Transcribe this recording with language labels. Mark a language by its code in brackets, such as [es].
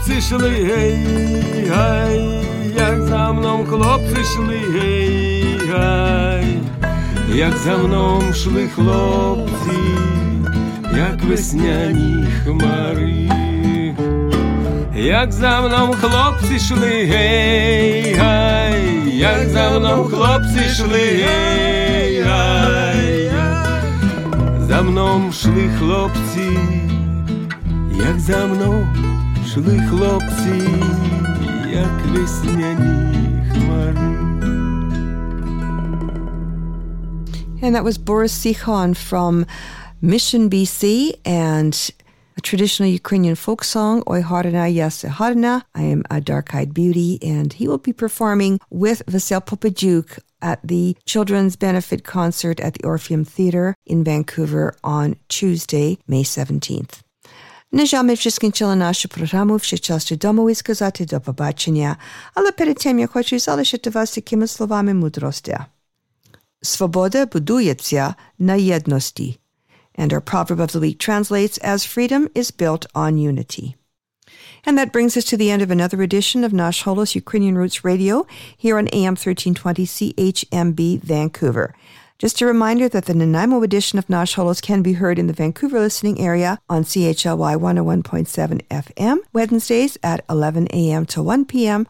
[uk] Шли, гей-гай, як за мном хлопці шли, гей-гай, як за мном шли хлопці, як весняні хмари, як за мном хлопці шли, гей-гай, як за мном хлопці шли, гей-гай, за мном шли хлопці, як за мном. Шли хлопці, як весняні хмари. [en] And that was Boris Sikhon from Mission BC and a traditional Ukrainian folk song, Oi Harna Yase Harna, I Am a Dark-Eyed Beauty, and he will be performing with Vasil Popajuk at the Children's Benefit Concert at the Orpheum Theatre in Vancouver on Tuesday, May 17th. [uk] На жаль, ми вже скінчили нашу програму, вже час додому і сказати до побачення. Але перед тим я хочу залишити вас такими словами мудрості. Свобода будується на єдності. [en] And our proverb of the week translates as freedom is built on unity. And that brings us to the end of another edition of Nash Holos Ukrainian Roots Radio here on AM 1320 CHMB Vancouver. Just a reminder that the Nanaimo edition of Nash Holos can be heard in the Vancouver listening area on CHLY 101.7 FM, Wednesdays at 11 a.m. to 1 p.m.